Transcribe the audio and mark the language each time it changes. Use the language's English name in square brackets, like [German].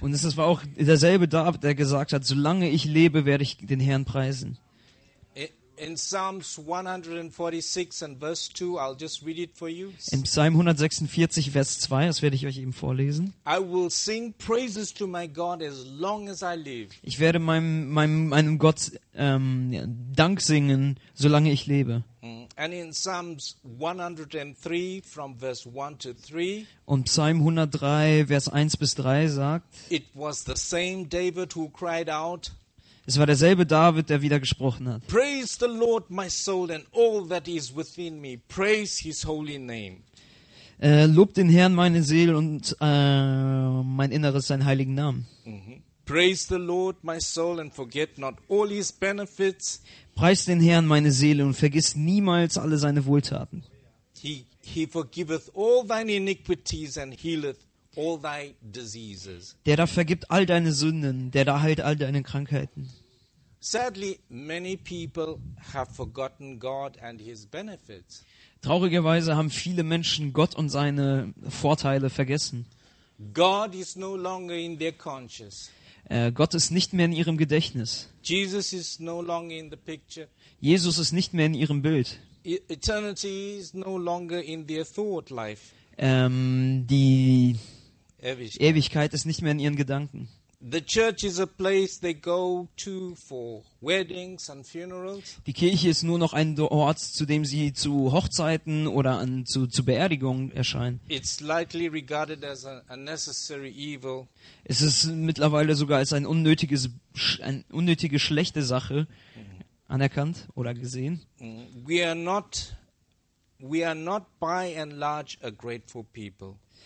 [German] Und es war auch derselbe David, der gesagt hat, solange ich lebe, werde ich den Herrn preisen. [English] In Psalms 146 and verse 2, I'll just read it for you. [German] In Psalm 146, Vers 2, das werde ich euch eben vorlesen. [English] I will sing praises to my God as long as I live. [German] Ich werde meinem Gott Dank singen, solange ich lebe. [English] And in Psalms 103 from verse 1 to 3. [German] Und Psalm 103, Vers 1 bis 3 sagt. [English] It was the same David who cried out. [German] Es war derselbe David, der wieder gesprochen hat. [English] Praise the Lord, my soul, and all that is within me. Praise his holy name. [German] Lob den Herrn, meine Seele, und mein Inneres, seinen heiligen Namen. Mm-hmm. [English] Praise the Lord, my soul, and forget not all his benefits. [German] Preist den Herrn, meine Seele, und vergiss niemals alle seine Wohltaten. [English] He forgiveth all thine iniquities and healeth all thy diseases. [German] Der da vergibt all deine Sünden, der da heilt all deine Krankheiten. [English] Sadly, many people have forgotten God and his benefits. [German] Traurigerweise haben viele Menschen Gott und seine Vorteile vergessen. [English] God is no longer in their conscience. [German] Gott ist nicht mehr in ihrem Gedächtnis. [English] Jesus is no longer in the picture. [German] Jesus ist nicht mehr in ihrem Bild. [English] Eternity is no longer in their thought life. [German] Die Ewigkeit. Ewigkeit ist nicht mehr in ihren Gedanken. [English] The church is a place they go to for weddings and funerals. [German] Die Kirche ist nur noch ein Ort, zu dem sie zu Hochzeiten oder zu Beerdigungen erscheinen. [English] It's likely regarded as a necessary evil. [German] Es ist mittlerweile sogar als eine unnötige schlechte Sache anerkannt oder gesehen. [English] We are not by and large a grateful people.